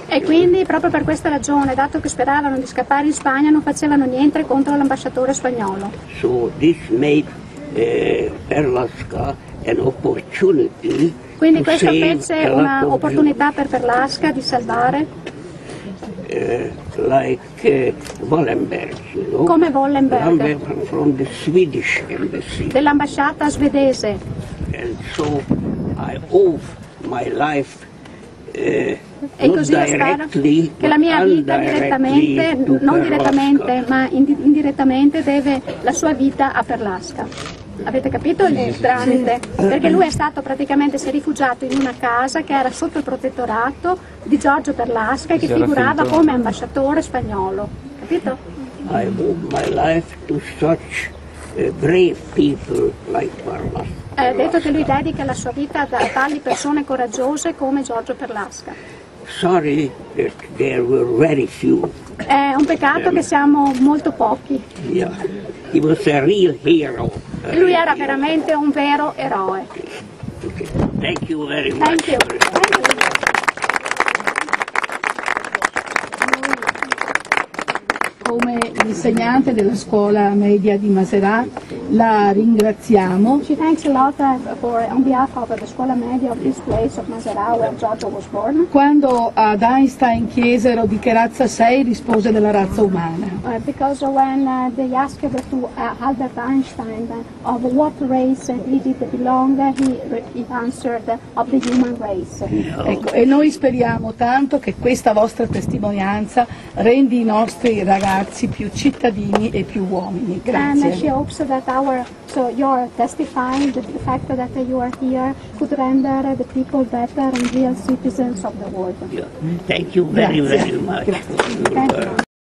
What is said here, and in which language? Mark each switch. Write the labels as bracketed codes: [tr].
[it] E quindi, proprio per questa ragione, dato che speravano di scappare in Spagna, non facevano niente contro l'ambasciatore spagnolo. [en] So this made Perlasca an opportunity. [it] Quindi questo fece una opportunità per Perlasca di salvare. [en] Like Wallenberg, you know? [it] Come Wallenberg. [en] Wallenberg from the Swedish embassy. [it] Dell'ambasciata svedese. [en] And so I hope my life, [it] e così io spero che la mia vita direttamente, non direttamente, ma indirettamente deve la sua vita a Perlasca. Avete capito il tramite? Perché lui è stato praticamente, si è rifugiato in una casa che era sotto il protettorato di Giorgio Perlasca, che figurava come ambasciatore spagnolo. Capito? [en] I owe my life to such brave people like Perlasca. [it] Ha detto che lui dedica la sua vita a tali persone coraggiose come Giorgio Perlasca. [en] Sorry that there were very few. [it] È un peccato che siamo molto pochi. [en] Yeah. He was a real hero. [it] Lui era veramente un vero eroe. [en] Okay. Thank you very much. Thank you. [it] Come insegnante della scuola media di Maserà la ringraziamo. [en] She thanks a lot for on behalf of the scuola media of this place of Maserà where Giorgio was born. [it] Quando ad Einstein chiesero di che razza sei, rispose della razza umana. [en] Because when they asked to Albert Einstein of what race did it belong, he answered of the human race. [it] Ecco, e noi speriamo tanto che questa vostra testimonianza rendi i nostri ragazzi più cittadini e più uomini. Grazie. [en] And she hopes that our our, so your testifying the fact that you are here could render the people better and real citizens of the world. Yeah. Thank you very, very much. Grazie.